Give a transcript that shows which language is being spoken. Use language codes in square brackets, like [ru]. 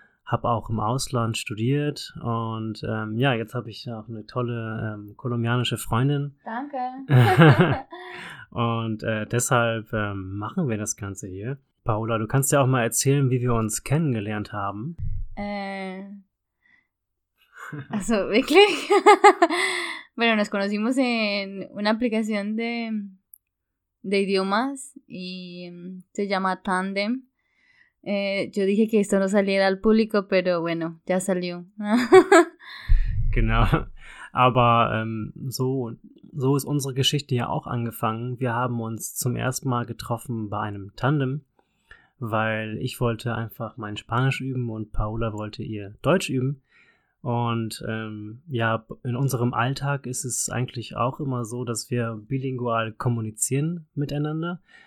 [de] Habe auch im Ausland studiert und ja, jetzt habe ich auch eine tolle kolumbianische Freundin. Danke. Und deshalb machen wir das Ganze hier. Paola, du kannst ja auch mal erzählen, wie wir uns kennengelernt haben. Also wirklich? [es] Bueno, nos conocimos en una aplicación de idiomas y se llama Tandem. Yo dije que esto no saliera al público, pero bueno, ya salió. [de] Genau, aber so ist unsere Geschichte ja auch angefangen. Wir haben uns zum ersten Mal getroffen bei einem Tandem, weil ich wollte einfach mein Spanisch üben und Paola wollte ihr Deutsch üben. Und ja, in unserem Alltag ist es eigentlich auch immer so, dass wir bilingual kommunizieren miteinander.